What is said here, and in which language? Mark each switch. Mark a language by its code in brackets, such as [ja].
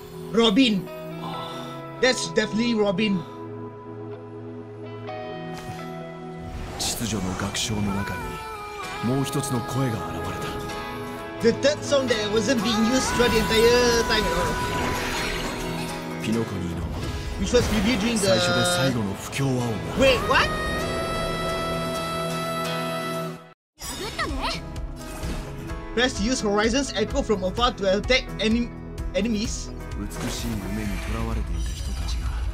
[en] Robin, that's definitely Robin. [ja] 秩序の楽章の中にもう一つの声が現れた。 [en] The third song that wasn't being used throughout the entire time. [ja] ピノコニーの [en] Which was reviewed during the [ja] 最初で最後の不協和音。 [en] Wait, what? Press to use Horizon's Echo from afar to attack enemies. [ja] 美しい夢に囚われていた人たちが